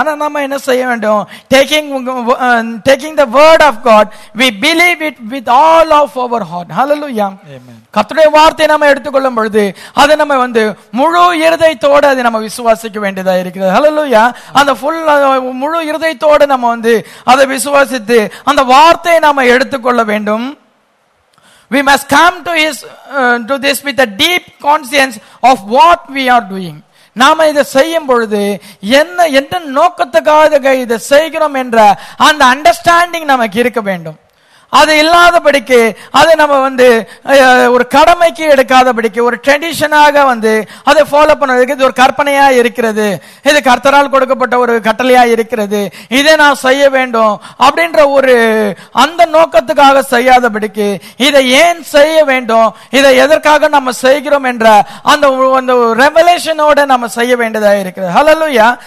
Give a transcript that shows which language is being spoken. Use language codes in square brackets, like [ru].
[ta] ஆனால் நம்ம என்ன செய்ய வேண்டும்? [en] Taking the word of God, we believe it with all of our heart. [ta] ஹல்லேலூயா. கர்த்தருடைய வார்த்தையை நாம எடுத்துக்கொள்ளும் பொழுது அதை நம்ம வந்து முழு இருதயத்தோடு அதை நம்ம விசுவாசிக்க வேண்டியதா இருக்கிறது. ஹல்லேலூயா. அந்த ஃபுல் முழு இருதயத்தோடு நம்ம வந்து அதை விசுவாசித்து அந்த வார்த்தையை நாம எடுத்துக்கொள்ள வேண்டும். [en] We must come to his to this with a deep conscience of what we are doing. [ta] நாம இதை செய்யும் பொழுது என்ன என்ன நோக்கத்துக்காக இதை செய்கிறோம் என்ற அந்த அண்டர்ஸ்டாண்டிங் நமக்கு இருக்க வேண்டும். அது இல்லாதபடிக்கு அதை நம்ம வந்து ஒரு கடமைக்கு எடுக்காதபடிக்கு ஒரு ட்ரெடிஷனாக வந்து அதை ஃபாலோ பண்ணதுக்கு இது ஒரு கற்பனையா இருக்கிறது, இது கர்த்தரால் கொடுக்கப்பட்ட ஒரு கட்டளையா இருக்கிறது, இதை நான் செய்ய வேண்டும் அப்படின்ற ஒரு அந்த நோக்கத்துக்காக செய்யாதபடிக்கு இதை ஏன் செய்ய வேண்டும், இதை எதற்காக நம்ம செய்கிறோம் என்ற அந்த அந்த ரெவலேஷனோட நம்ம செய்ய வேண்டியதா இருக்கிறது. ஹல்லேலூயா.